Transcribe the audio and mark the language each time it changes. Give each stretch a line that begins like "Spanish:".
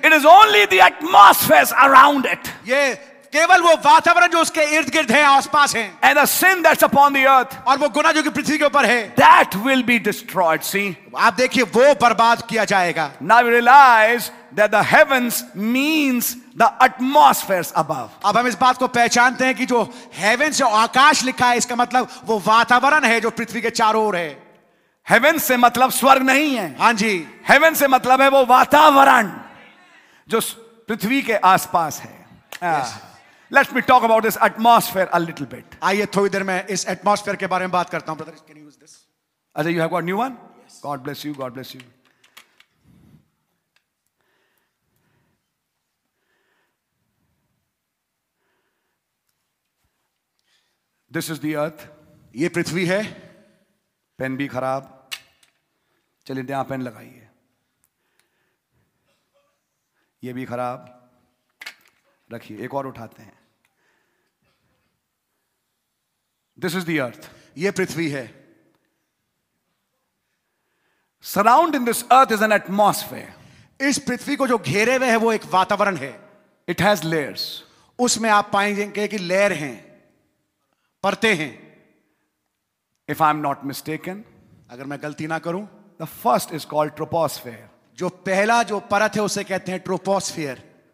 English: It is only the atmosphere around it.
Hindi: ये केवल वो वातावरण जो उसके इर्द गिर्द है, आसपास है.
English: And the sin that's upon the earth.
Hindi: और वो गुनाह जो कि पृथ्वी के ऊपर है.
English: That will be destroyed. See.
Hindi: आप देखिए वो बर्बाद किया जाएगा.
English: Now we realize that the heavens means the atmospheres above.
Hindi: अब हम इस बात को पहचानते हैं कि जो heavens जो आकाश लिखा है, इसका मतलब वो वातावरण है जो पृथ्वी के चारों ओर है. Heavens से मतलब स्वर्ग नहीं है. हाँ जी. Heavens से मतलब है वो वातावरण जो पृथ्वी के आसपास है.
English: Let me talk about this atmosphere a little bit.
Hindi: आइए थोड़ी देर में इस atmosphere के बारे में बात करता हूँ, brother.
English: Can you use this? अच्छा, you have got a new one? Yes. God bless you. God bless you. This is the earth.
Hindi: ये पृथ्वी है. पेन भी खराब. चलिए यहां पेन लगाइए. ये भी खराब. रखिए एक और उठाते हैं.
English: This is the earth.
Hindi: ये पृथ्वी है.
English: Surround in this earth is an atmosphere.
Hindi: इस पृथ्वी को जो घेरे हुए है वो एक वातावरण है.
English: It has layers.
Hindi: उसमें आप पाएंगे कि लेयर हैं, पढ़ते हैं.
English: if I am not mistaken,
Hindi: अगर मैं गलती ना करूं,
English: The first is called troposphere.
Hindi: जो पहला जो परत है उसे कहते हैं ट्रोपोस्फेयर.